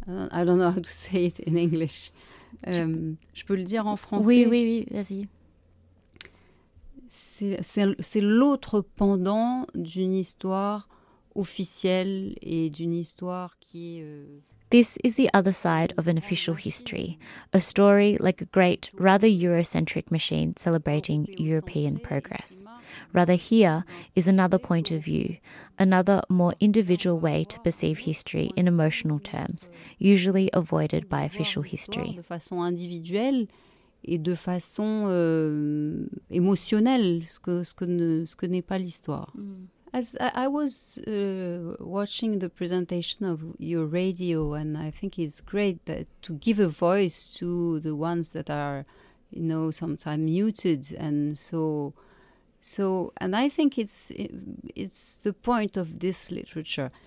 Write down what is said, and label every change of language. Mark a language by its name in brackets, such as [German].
[English] I don't know how to say it in English. [French] Je peux le dire en français. Oui, vas-y. C'est l'autre pendant d'une histoire officielle et d'une histoire qui est, [English] This is the other side of an official history, a story like a great, rather Eurocentric machine celebrating European progress. Rather, here is another point of view, another more individual way to perceive history in emotional terms, usually avoided by official history. [French] De façon individuelle et de façon émotionnelle, ce que n'est pas l'histoire. [English] As I was watching the presentation of your radio, and I think it's great that to give a voice to the ones that are, you know, sometimes muted, and so, and I think it's the point of this literature.